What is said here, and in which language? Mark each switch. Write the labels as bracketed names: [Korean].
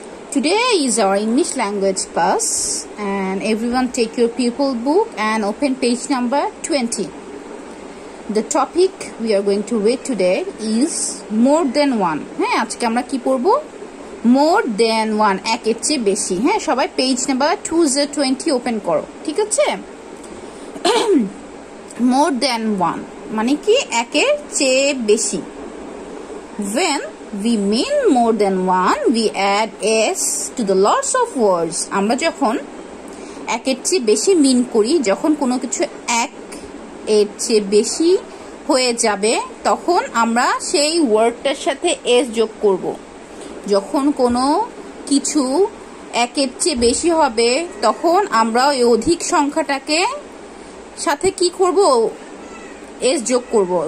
[English] Today is our English language class, and everyone take your pupil book and open page number 20. The topic we are going to read today is more than one. [Bangla] Hey, আজকে আমরা কি পড়বো? [English] More than one. [Bangla] এক এর চেয়ে বেশি. হ্যাঁ, সবাই page number 20 open করো. ঠিক আছে? [English] More than one. [Bangla] মানে কি একের চেয়ে বেশি. [English] When we mean more than one, we add s to the lots of words. [Bangla] আমরা যখন একের চেয়ে বেশি mean করি, যখন কোনো কিছু এক এর চেয়ে বেশি হয়ে যাবে, তখন আমরা সেই ওয়ার্ডটার সাথে s যোগ করব. যখন কোনো কিছু একের চেয়ে বেশি হবে, তখন আমরা ওই অধিক সংখ্যাটাকে সাথে কি করব, এস যোগ করব.